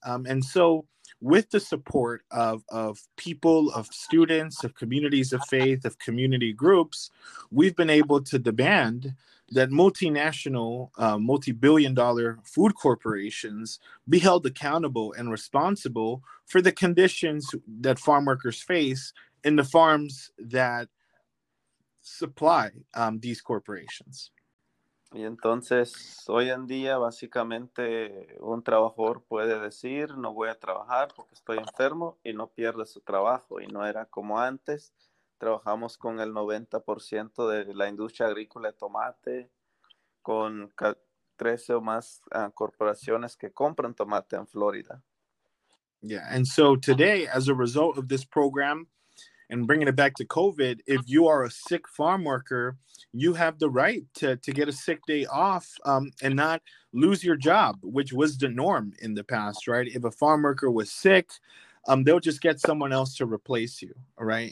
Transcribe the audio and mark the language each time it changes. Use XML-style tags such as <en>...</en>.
<en>And so with the support of people, of students, of communities of faith, of community groups, we've been able to demand that multinational, multi-billion dollar food corporations be held accountable and responsible for the conditions that farm workers face in the farms that supply these corporations.</en> <es>Y entonces, hoy en día, básicamente, un trabajador puede decir, no voy a trabajar porque estoy enfermo y no pierde su trabajo. Y no era como antes. Trabajamos con el 90% de la industria agrícola de tomate, con 13 o más corporaciones que compran tomate en Florida.</es> <en>Yeah. And so today, as a result of this program and bringing it back to COVID, if you are a sick farm worker, you have the right to get a sick day off and not lose your job, which was the norm in the past, right? If a farm worker was sick, they'll just get someone else to replace you, right?</en>